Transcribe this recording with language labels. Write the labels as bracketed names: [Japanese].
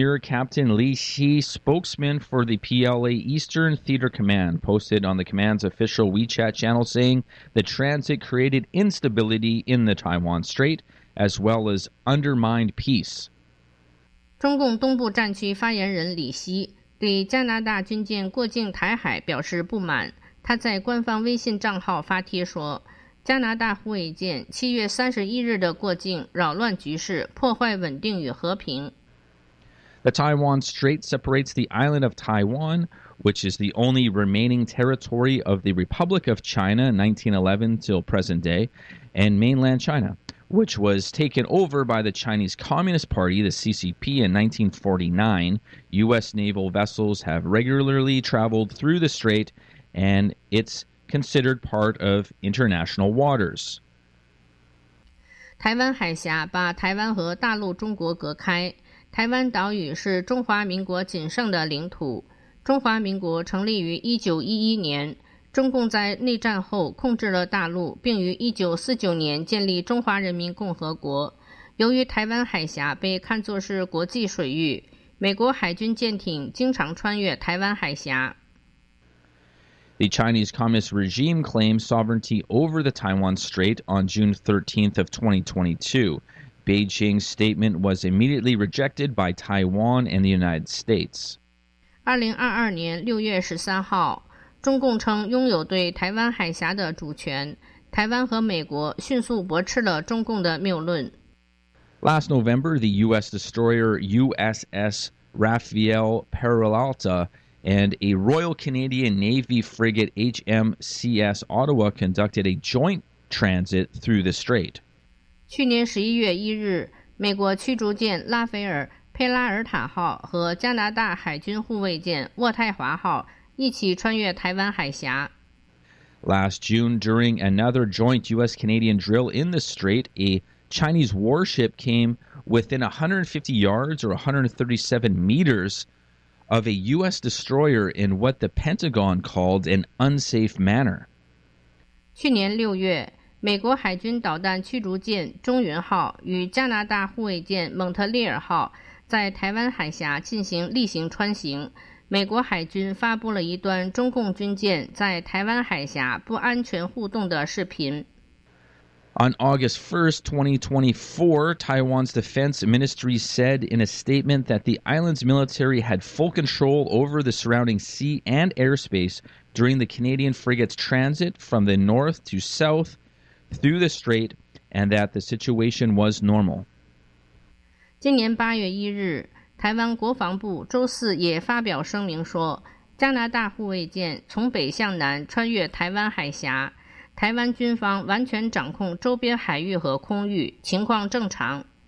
[English] Here, Captain Li Xi, spokesman for the PLA Eastern Theater Command, posted on the command's official WeChat channel saying the transit created instability in the Taiwan Strait, as well as undermined peace. [Chinese] 中共东部战区发言人李希对加拿大军舰过境台海表示不满。他在官方微信账号发帖说，加拿大护卫舰7月31日的过境扰乱局势，破坏稳定与和平。 [English] The Taiwan Strait separates the island of Taiwan, which is the only remaining territory of the Republic of China 1911 till present day, and mainland China, which was taken over by the Chinese Communist Party, the CCP, in 1949. U.S. naval vessels have regularly traveled through the strait, and it's considered part of international waters. [Chinese] 台湾海峡把台湾和大陆中国隔开。台湾岛屿是中华民国仅剩的领土。中华民国成立于1911年，中共在内战后控制了大陆，并于1949年建立中华人民共和国。由于台湾海峡被看作是国际水域，美国海军舰艇经常穿越台湾海峡。 [English] The Chinese Communist regime claimed sovereignty over the Taiwan Strait on June 13th of 2022. Beijing's statement was immediately rejected by Taiwan and the United States. [Chinese] 2022年6月13号，中共称拥有对台湾海峡的主权，台湾和美国迅速驳斥了中共的谬论。 [English] Last November, the U.S. destroyer USS Rafael Peralta and a Royal Canadian Navy frigate HMCS Ottawa conducted a joint transit through the strait. [Chinese] 去年11月1日，美国驱逐舰拉斐尔·佩拉尔塔号和加拿大海军护卫舰渥太华号一起穿越台湾海峡。 [English] Last June, during another joint U.S.-Canadian drill in the strait, a Chinese warship came within 150 yards or 137 meters of a U.S. destroyer in what the Pentagon called an unsafe manner. [Chinese] 去年6月，美国海军导弹驱逐舰中云号与加拿大护卫舰蒙特利尔号在台湾海峡进行例行穿行。美国海军发布了一段中共军舰在台湾海峡不安全互动的视频。 [English] On August 1st, 2024, Taiwan's Defense Ministry said in a statement that the island's military had full control over the surrounding sea and airspace during the Canadian frigate's transit from the north to south. Through the strait, and that the situation was normal. [Chinese] 今年8月1日，台湾国防部周四也发表声明说，加拿大护卫舰从北向南穿越台湾海峡，台湾军方完全掌控周边海域和空域，情况正常。